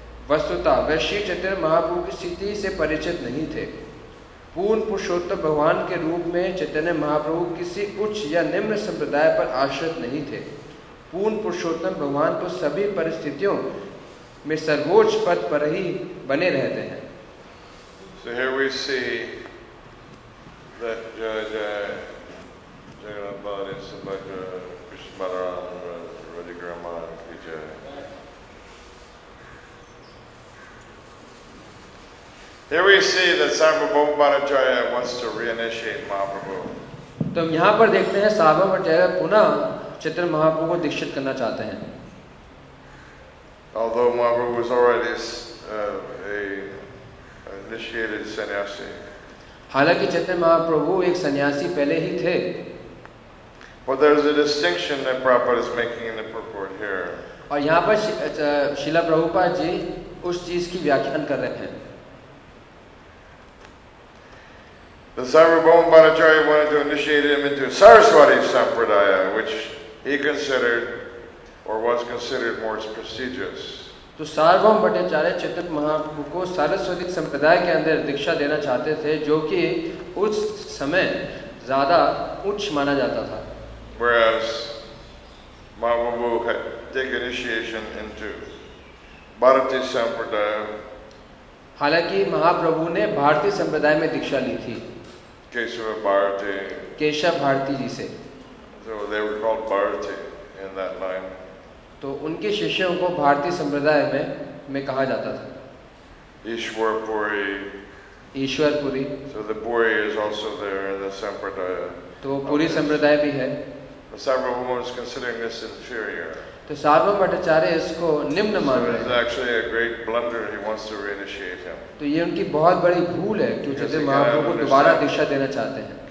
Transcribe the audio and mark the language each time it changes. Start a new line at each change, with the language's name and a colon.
Hindi: वस्तुतः वे श्री चैतन्य महाप्रभु की स्थिति से परिचित नहीं थे। पूर्ण पुरुषोत्तम भगवान के रूप में चैतन्य महाप्रभु किसी उच्च या निम्न संप्रदाय पर आश्रित नहीं थे। पूर्ण पुरुषोत्तम भगवान तो सभी परिस्थितियों में सर्वोच्च पद पर ही बने रहते हैं।
English: So here we see that Jagannath Bali, Subhadra, Krishna Balaram, Radhigrama, Vijay. Here we see that Sarvabhauma Bhattacharya wants to reinitiate Mahaprabhu.
Hindi: तो यहाँ पर देखते हैं सार्वभौम भट्टाचार्य पुनः चैतन्य महाप्रभु को दीक्षित करना चाहते हैं।
English: Although Mahaprabhu was already initiated sannyasi.
Hindi: हालांकि चैतन्य महाप्रभु एक सन्यासी पहले ही थे।
English: But there is a distinction that Prabhupada is making in the purport here.
Hindi: और यहाँ पर शिला प्रभुपाद जी उस चीज की व्याख्यान कर रहे हैं।
English: The Sarvabhauma Bhattacharya wanted to initiate him into Saraswati Sampradaya, which he considered or was considered more prestigious.
Hindi: तो सार्वभौम भट्टाचार्य चैतन्य महाप्रभु को सारस्वती संप्रदाय के अंदर दीक्षा देना चाहते थे, जो कि उस समय ज्यादा उच्च माना जाता था।
English: Whereas Mahaprabhu had taken initiation into Bharatiya Sampradaya.
Hindi: हालांकि महाप्रभु ने भारतीय संप्रदाय में दीक्षा ली थी। केशव भारती जी से।
English: So they were called Bharati in that line.
Hindi: तो उनके शिष्यों को भारतीय संप्रदाय में कहा जाता था। Ishwarpuri.
English: So the Puri is also there in the sampradaya.
Hindi: तो वो पूरी संप्रदाय भी है।
English: Sarvabhauma is considering this inferior.
Hindi: तो सार्वभौम भट्टाचार्य इसको निम्न मान रहे हैं।
English: It's actually a great blunder. He wants to reinitiate him.
Hindi: तो ये उनकी बहुत बड़ी भूल है कि चैतन्य महाप्रभु को दोबारा दीक्षा देना चाहते हैं।